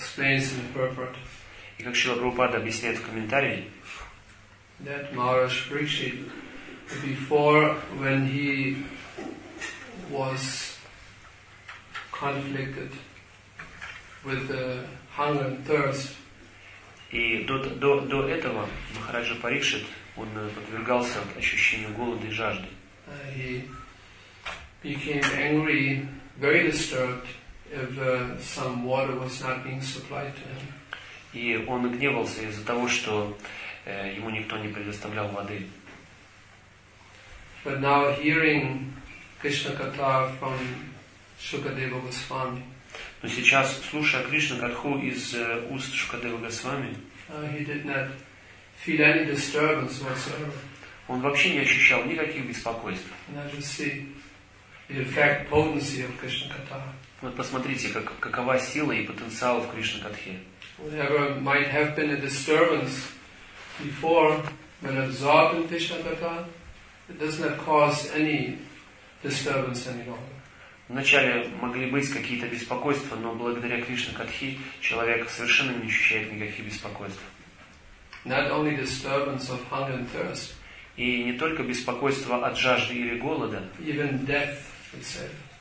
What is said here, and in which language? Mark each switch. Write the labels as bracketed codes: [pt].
[ru] И как Шрила Прабхупада объясняет в комментарии, [en] that Maharaj Parikshit, before when he was conflicted with the hunger and thirst, [ru] и до этого Махараджа Парикшит он подвергался ощущению голода и жажды. [en] He became angry, very disturbed if some water was not being supplied to him. [ru] И он гневался из-за того, что ему никто не предоставлял воды. [en] But now hearing Krishna Katha from Shukadeva Goswami. [ru] Но сейчас, слушая Кришну Катху из уст Шукадевы Госвами, [en] he did not feel any disturbance whatsoever. [ru] Он вообще не ощущал никаких беспокойств. [en] And I just see the effect potency of Krishna Katha. [ru] Вот посмотрите, какова сила и потенциал в Кришна Катхе. [en] Whatever might have been a disturbance before, when absorbed in Krishna Katha, it does not cause any disturbance any longer. [ru] Вначале могли быть какие-то беспокойства, но благодаря Кришна Катхе человек совершенно не ощущает никаких беспокойств. [en] Not only disturbance of hunger and thirst. [ru] И не только беспокойство от жажды или голода. [en] Even death itself.